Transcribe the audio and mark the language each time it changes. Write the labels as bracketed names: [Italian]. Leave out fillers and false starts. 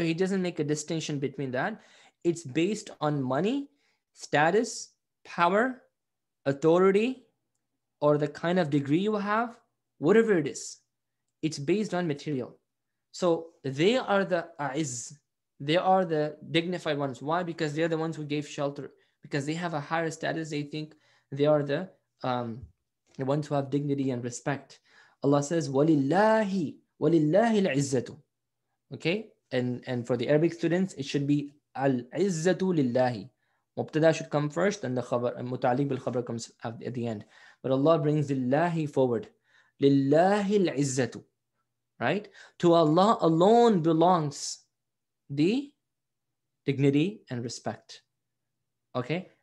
[English] He doesn't make a distinction between that. It's based on money, status, power, authority, or the kind of degree you have, whatever it is. It's based on material. So they are the a'iz. They are the dignified ones. Why? Because they are the ones who gave shelter. Because they have a higher status. They think they are the ones who have dignity and respect. Allah says, [Arabic] وَلِلَّهِ وَلِلَّهِ الْعِزَّةُ. [English] Okay? And for the Arabic students, it should be [Arabic] الْعِزَّةُ لِلَّهِ. [English] مُبْتَدَى should come first, then the khabar, مُتَعْلِيق بِالْخَبَرَ comes at the end. But Allah brings اللَّهِ forward. [Arabic] لِلَّهِ الْعِزَّةُ. [English] Right? To Allah alone belongs the dignity and respect. Okay?